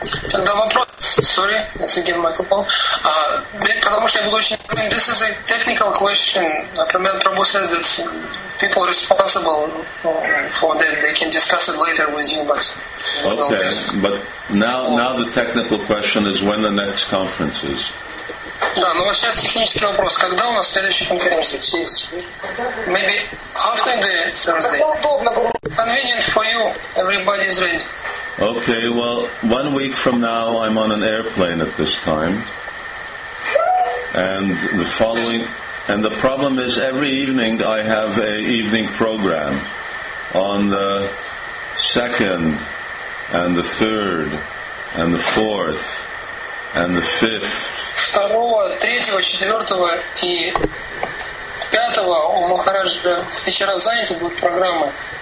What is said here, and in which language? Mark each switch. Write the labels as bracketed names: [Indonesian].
[Russian] Тогда вопрос. [English] Sorry, let's get microphone. [Russian] Потому что я буду очень. [English] I mean, this is a technical question. [Russian] Например, [English] Prabhu says that people responsible for that, they can discuss it later with you, but. Okay, but now the technical question is when the next conference is. [Russian] Да, но сейчас технический вопрос. Когда у нас следующая конференция? Через. [English] Maybe after the Thursday. Convenient for you. Everybody is ready. Okay, well, 1 week from now, I'm on an airplane at this time. And the following... And the problem is, every evening, I have an evening program. On the 2nd, and the 3rd, and the 4th, and the 5th. [Russian] 2-го, 3-го, 4-го и 5-го у Махараджа вечера заняты будут программы.